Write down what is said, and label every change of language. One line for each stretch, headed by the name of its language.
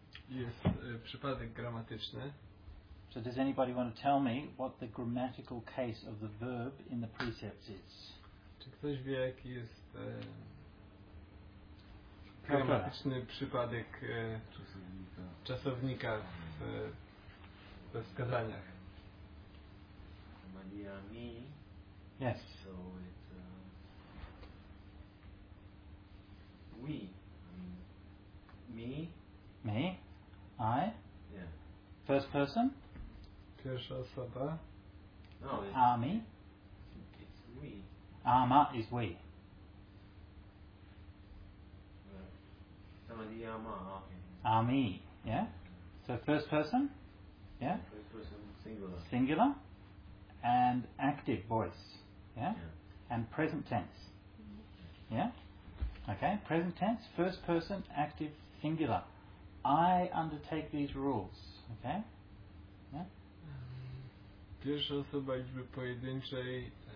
Polish: Jest przypadek gramatyczny.
English: So does anybody want to tell me what the grammatical case of the verb in the precepts is?
Polish: Czy ktoś wie, jaki jest gramatyczny przypadek czasownika we wskazaniach? Maniami.
English: Yes. So it we. Me. I? Yeah. First person?
Polish: Pierwsza osoba.
English: No, it's... Ami? It's we. Ama is we. Samadhiyama, okay. Ami, yeah? So first person? Yeah? First person, singular. Singular. And active voice, yeah? Yeah. And present tense. Mm-hmm. Yeah? Okay, present tense, first person, active, singular. I undertake these rules, okay? Yeah?
Polish: Pierwsza osoba liczby pojedynczej.